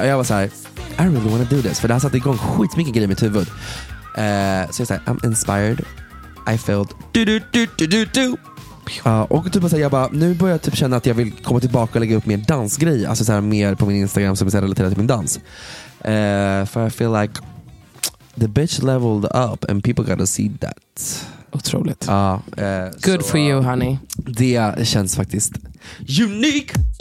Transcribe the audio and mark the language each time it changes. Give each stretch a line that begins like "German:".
Swedish: Och jag var så här,
English: I really wanna do this.
Swedish: För det här satte igång skitmycket grejer i mitt huvud. Så jag säger,
English: I'm inspired. I felt do.
Swedish: Och typ såhär, jag bara, nu börjar jag typ känna att jag vill komma tillbaka och lägga upp mer dansgrej. Alltså såhär, mer på min Instagram som är relaterat till min dans. För
English: I feel like the bitch leveled up and people gotta see that.
Swedish: Otroligt.
English: Good for you, honey.
Swedish: Det känns faktiskt unique.